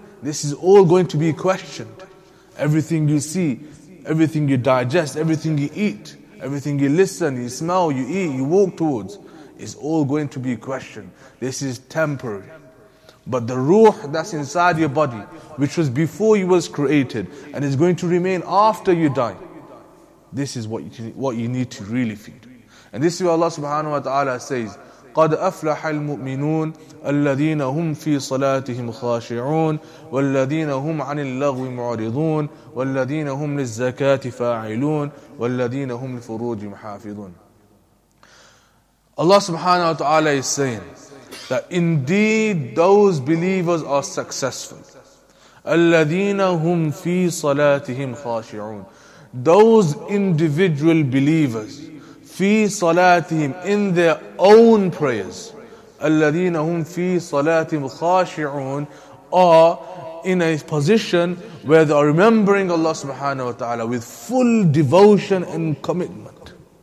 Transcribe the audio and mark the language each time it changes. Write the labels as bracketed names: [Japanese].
[English] This is all going to be questioned. Everything you see, everything you digest, everything you eat, everything you listen, you smell, you eat, you walk towards, is all going to be questioned. This is temporary. But the ruh that's inside your body, which was before you was created, and is going to remain after you die, this is what you need to really feed. And this is what Allah subhanahu wa ta'ala says, [Arabic] قَدْ أَفْلَحَ الْمُؤْمِنُونَ الَّذِينَ هُمْ فِي صَلَاتِهِمْ خَاشِعُونَ وَالَّذِينَ هُمْ عَنِ اللَّغْوِ مُعْرِضُونَ وَالَّذِينَ هُمْ لِلزَّكَاةِ فَاعِلُونَ وَالَّذِينَ هُمْ لِفُرُوجِ مُحَافِظُونَ. [English] Allah subhanahu wa ta'ala is saying that indeed those believers are successful. [Arabic] الَّذِينَ هُمْ فِي صَلَاتِهِمْ خَاشِعُونَ. [English] Those individual believers, [Arabic] في صلاتهم, [English] in their own prayers, [Arabic] الذين هم في صلاتهم خاشعون, [English] are in a position where they are remembering Allah subhanahu wa ta'ala with full devotion and commitment.